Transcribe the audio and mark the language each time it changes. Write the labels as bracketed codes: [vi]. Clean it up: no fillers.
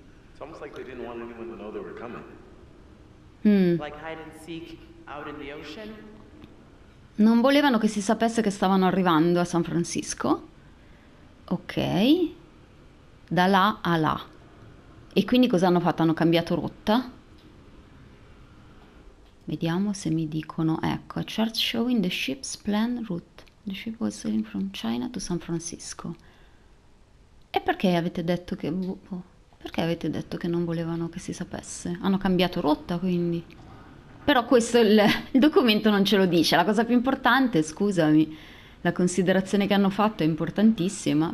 [en] It's almost like they didn't want anyone to know they were coming. Like hide and seek out in the ocean. [it] Non volevano che si sapesse che stavano arrivando a San Francisco. Ok. Da là a là. E quindi cosa hanno fatto? Hanno cambiato rotta? Vediamo se mi dicono. [en] Ecco, a chart showing the ship's planned route. The ship was sailing from China to San Francisco. [it] E perché avete detto che... Oh. Perché avete detto che non volevano che si sapesse? Hanno cambiato rotta, quindi. Però questo il documento non ce lo dice. La cosa più importante, scusami, la considerazione che hanno fatto è importantissima.